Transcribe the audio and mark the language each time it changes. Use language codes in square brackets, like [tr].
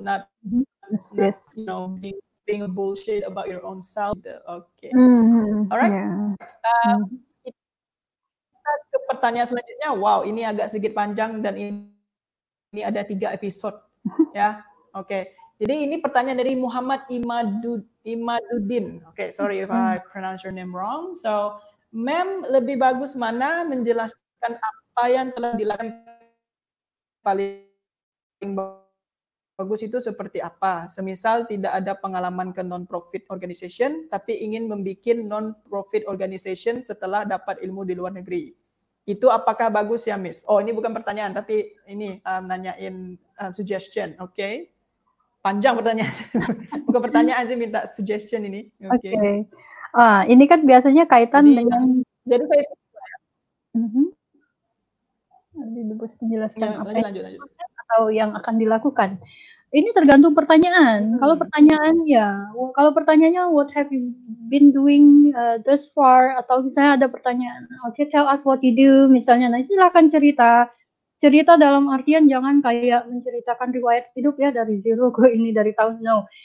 [en] Not you know, being bullshit about your own self. Okay. Alright. [id] Kita ke pertanyaan selanjutnya. Wow, ini agak sedikit panjang dan ini ada 3 episode. Ya, okay. Jadi ini pertanyaan dari Muhammad Imaduddin. [en] Okay, sorry if I pronounce your name wrong. [id] So, Mem, lebih bagus mana menjelaskan apa yang telah dilakukan paling bagus itu seperti apa? Semisal tidak ada pengalaman ke non-profit organization, tapi ingin membuat non-profit organization setelah dapat ilmu di luar negeri. Itu apakah bagus ya, Miss? Oh, ini bukan pertanyaan, tapi ini nanyain suggestion, okay? Panjang pertanyaan. Bukan pertanyaan sih, minta suggestion ini. Okay. Ini kan biasanya kaitan dengan... Jadi saya... Lebih bagus menjelaskan apa atau yang akan dilakukan. Ini tergantung pertanyaan. Kalau pertanyaannya, [en] what have you been doing thus far? [id] Atau misalnya ada pertanyaan, [en] okay, tell us what you do, [id] misalnya. Nah, silakan cerita. Cerita dalam artian jangan kayak menceritakan riwayat hidup ya dari zero ke ini dari tahun now.